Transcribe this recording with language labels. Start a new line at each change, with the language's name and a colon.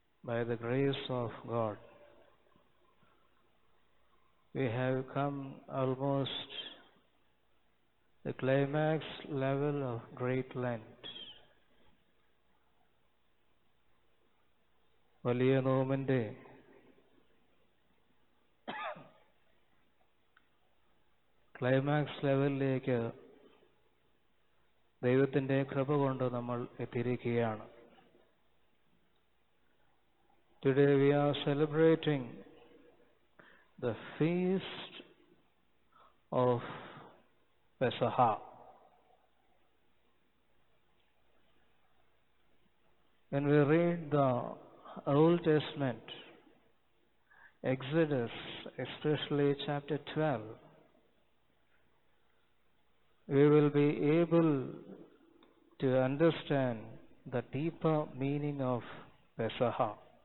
English: By the grace of God, we have come almost the climax level of Great Lent.
Malayalam: വലിയ നോമിന്റെ climax ലെവലിലേക്ക് ദൈവത്തിന്റെ കൃപ കൊണ്ട് നമ്മൾ എത്തിയിരിക്കുകയാണ്.
English: Today we are celebrating the feast of Pesach. When we read the Old Testament, Exodus, especially chapter 12, we will be able to understand the deeper meaning of Pesach.